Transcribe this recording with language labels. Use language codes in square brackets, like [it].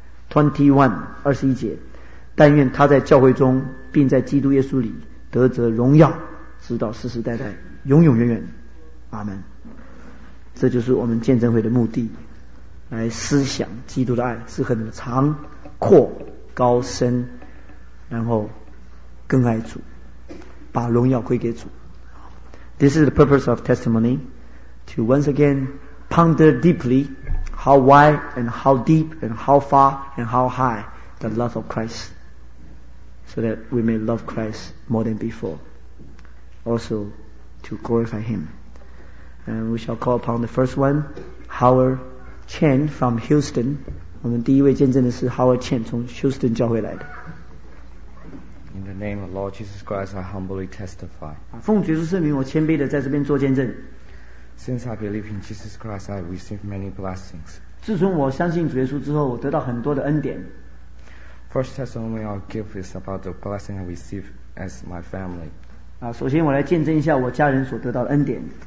[zh] 21 节，但愿他在教会中并在基督耶稣里得着荣耀，直到世世代代永永远远。阿们。这就是我们见证会的目的，来思想基督的爱是很长阔高深，然后更爱主，把荣耀归给主。 [en] This is the purpose of testimony, to once again ponder deeply how wide and how deep and how far and how high the love of Christ, so that we may love Christ more than before, also to glorify Him. And we shall call upon the first one, Howard Chen from Houston. [zh] 我们第一位见证的是 Howard Chen, 从 Houston 教会来的。 [en] In the name of the Lord Jesus Christ, I humbly testify. [zh] 奉主耶稣圣名，我谦卑地在这边做见证。 [en] Since I believe in Jesus Christ, I received many blessings. [zh] 自从我相信主耶稣之后，我得到很多的恩典。 [en] First testimony I'll give is about the blessing I received as my family. [zh] 首先我来见证一下我家人所得到的恩典。